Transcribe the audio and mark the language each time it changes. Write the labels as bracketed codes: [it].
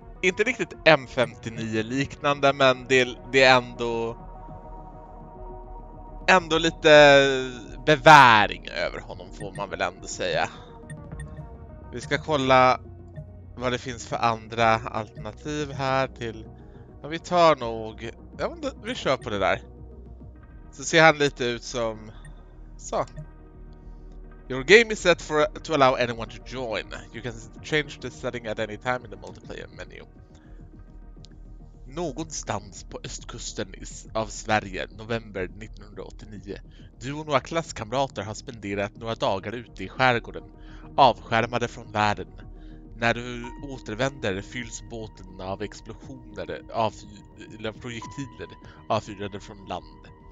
[sv] Inte riktigt M59 liknande, men det är ändå lite beväring över honom, får man väl ändå säga. Vi ska kolla vad det finns för andra alternativ här till. Ja, vi tar nog, ja, vi kör på det där. Så ser han lite ut som så. [en] Your game is set for to allow anyone to join. You can change the setting at any time in the multiplayer menu. [sv] Någonstans på östkusten av Sverige, november 1989. Du och några klasskamrater har spenderat några dagar ute i skärgården, avskärmade från världen. När du återvänder fylls båten av explosioner, projektiler avfyrade från land.